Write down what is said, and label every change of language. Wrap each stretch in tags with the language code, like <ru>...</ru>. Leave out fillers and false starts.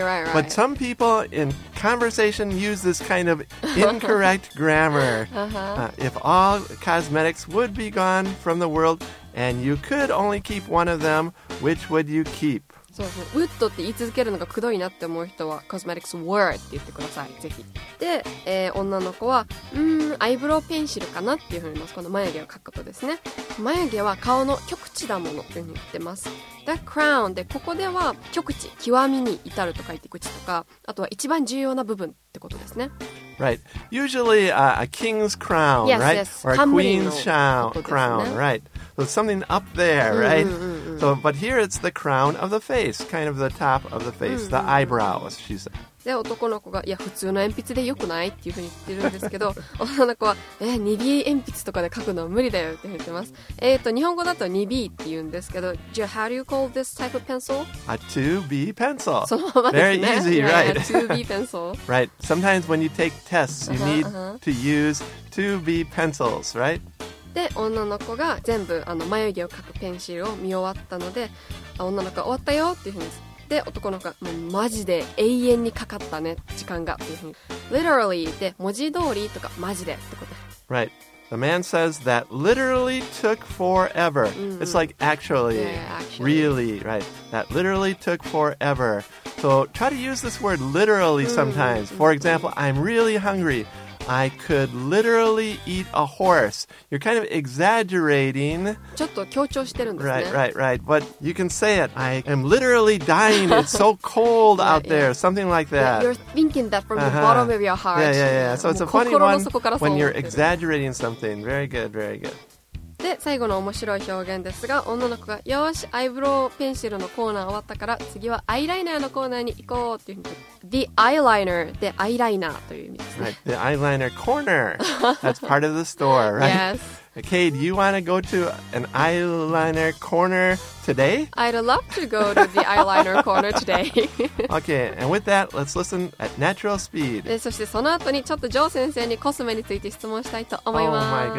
<en>Right, right, right. But some people in... conversation use this kind of incorrect grammar. If all cosmetics would be gone from the world and you could only keep one of them, which would you keep?</en> <ja>そうそう。would って言い続けるのがくどいなって思う人は cosmetics were って言ってください。ぜひ。で、女の子は、アイブロウペンシルかなっていうふうに言います。この眉毛を描くことですね。眉毛は顔の極致だものって言ってます。The crown でここでは極致、極みに至ると書いて口とか、あとは一番重要な部分ってことですね。</ja> <en>Right. Usually、a king's crown, yes, right? Yes, or a queen's crown, crown, right? So something up there, right? So, but here it's the crown of the face, kind of the top of the face, the eyebrows, she said.</en> <ja>で男の子がいや普通の鉛筆でよくないっていうふうに言ってるんですけど女の子は2B 鉛筆とかで書くのは無理だよって言ってます日本語だと 2B って言うんですけど</ja> <en>Joe, how do you call this type of pencil? A 2B pencil</en> <ja>そのままですね</ja> <en>Very easy, right? Yeah, 2B pencil Right, sometimes when you take tests you need to use 2B pencils, right?</en> <ja>で女の子が全部眉毛を描くペンシルを見終わったので女の子は終わったよっていうふうにで男の子もうマジで永遠にかかったね時間がっていうふうに literally で文字通りとかマジでってこと</ja> <en>right the man says that literally took forever、it's like actually, yeah, actually really right that literally took forever so try to use this word literally sometimes for example I'm really hungryI could literally eat a horse. You're kind of exaggerating.</en> <ja>ちょっと強調してるんですね。</ja> <en>Right, right, right. But you can say it. I am literally dying. It's so cold yeah, out there. Yeah. Something like that. You're thinking that from the bottom of your heart. Yeah, yeah, yeah. So it's a funny one when you're exaggerating something. Very good, very good.</en> <ja>で、最後の面白い表現ですが、女の子が、よし、アイブロウペンシルのコーナー終わったから、次はアイライナーのコーナーに行こうっていうふうに言って、The eyeliner でアイライナーという意味ですね。</ja> <en>Right, the eyeliner corner. That's part of the store, right? Yes. Okay, do you want to go to an eyeliner corner today? I'd love to go to the eyeliner corner today. Okay, and with that, let's listen at natural speed.</en> <ja>で、そしてその後にちょっとジョー先生にコスメについて質問したいと思います。</ja>